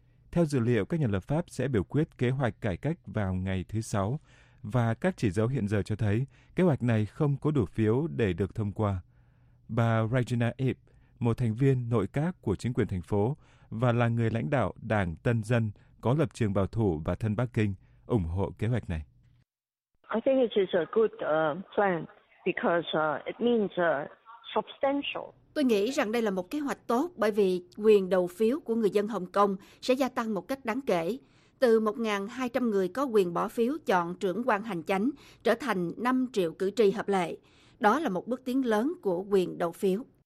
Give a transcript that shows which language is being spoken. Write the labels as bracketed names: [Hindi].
[Vietnamese] Theo dự liệu, các nhà lập pháp sẽ biểu quyết kế hoạch cải cách vào ngày thứ Sáu, và các chỉ dấu hiện giờ cho thấy kế hoạch này không có đủ phiếu để được thông qua. Bà Regina Ip, một thành viên nội các của chính quyền thành phố và là người lãnh đạo Đảng Tân Dân có lập trường bảo thủ và thân Bắc Kinh, ủng hộ kế hoạch này. [English] I think it is a good plan because it means substantial. [Vietnamese] Tôi nghĩ rằng đây là một kế hoạch tốt bởi vì quyền đầu phiếu của người dân Hồng Kông sẽ gia tăng một cách đáng kể. Từ 1.200 người có quyền bỏ phiếu chọn trưởng quan hành chánh trở thành 5 triệu cử tri hợp lệ. Đó là một bước tiến lớn của quyền đầu phiếu.